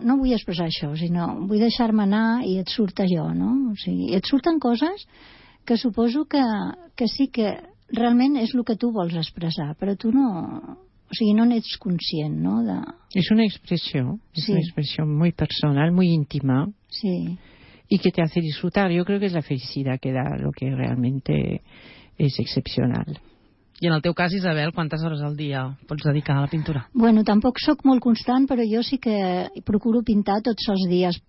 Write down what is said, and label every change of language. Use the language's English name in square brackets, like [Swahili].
[Catalan] No vull expressar això, sinó vull deixar-me anar i et surt allò, no? O sigui, et surten coses que suposo que sí que realment és el que tu vols expressar, però tu no... O sigui, no n'ets conscient, no? És una expressió, una expressió [Spanish] muy personal, muy íntima. [Catalan] Sí. [Spanish] Y que te hace disfrutar. Yo creo que es la felicidad que da lo que realmente es excepcional. [Catalan] I en el teu cas, Isabel, quantes hores al dia pots dedicar a la pintura? Bueno, tampoc sóc molt constant, però jo sí que procuro pintar tots els dies.